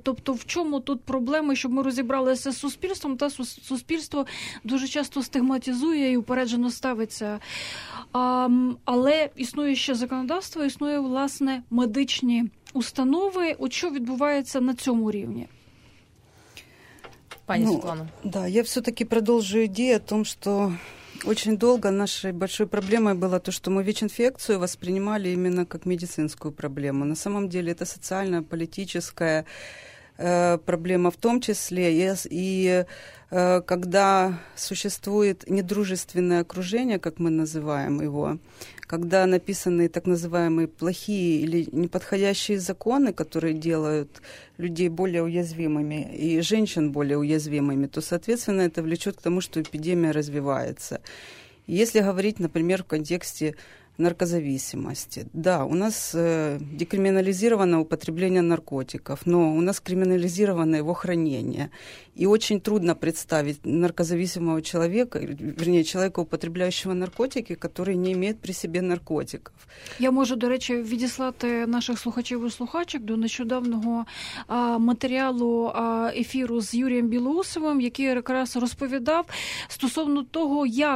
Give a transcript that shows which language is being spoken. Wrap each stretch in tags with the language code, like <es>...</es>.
<uk>Тобто в чому тут проблеми, щоб ми розібралися з суспільством, та суспільство дуже часто стигматизує і упереджено ставиться. Але існує ще законодавство, існує, власне, медичні установи. От що відбувається на цьому рівні? Пані Світлана.</uk> <ru>Я все-таки</ru> <uk>продовжую ідею</uk> <ru>о том, що очень долго нашей большой проблемой было то, что мы ВИЧ-инфекцию воспринимали именно как медицинскую проблему. На самом деле это социально-политическая проблема в том числе. И когда существует недружественное окружение, как мы называем его, когда написаны так называемые плохие или неподходящие законы, которые делают людей более уязвимыми и женщин более уязвимыми, то, соответственно, это влечет к тому, что эпидемия развивается. Если говорить, например, в контексте наркозависимости. Да, у нас декриминализировано употребление наркотиков, но у нас криминализировано его хранение. И очень трудно представить наркозависимого человека, вернее, человека, употребляющего наркотики, который не имеет при себе наркотиков.</ru> <uk>Я можу, до речі, відіслати наших слухачів і слухачок до нещодавнього матеріалу ефіру з Юрієм Білоусовим, який якраз розповідав стосовно того,</uk>